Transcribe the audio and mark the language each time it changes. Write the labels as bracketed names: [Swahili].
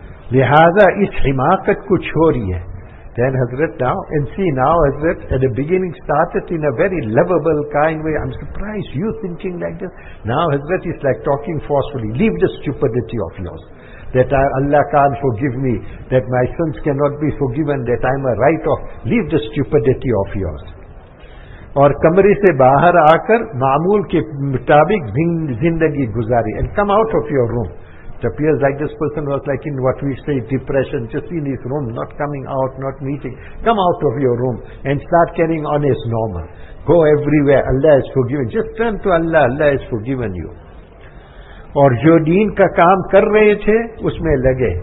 [Urdu] لہذا اس حماقت کو چھوڑی ہے. [English] Then Hazrat now, and see now Hazrat at the beginning started in a very lovable kind way. I'm surprised you thinking like this. Now Hazrat is like talking forcefully. Leave the stupidity of yours. That Allah can't forgive me, that my sins cannot be forgiven, that I'm a write-off. Leave the stupidity of yours. [Urdu] اور کمرے سے باہر آ کر معمول کے مطابق زندگی گزاری. [English] And come out of your room. It appears like this person was like in what we say depression, just in his room, not coming out, not meeting. Come out of your room and start carrying on as normal. Go everywhere. Allah has forgiven. Just turn to Allah. Allah has forgiven you. [Urdu] Aur jo deen ka kaam kar rahe the, usme lage.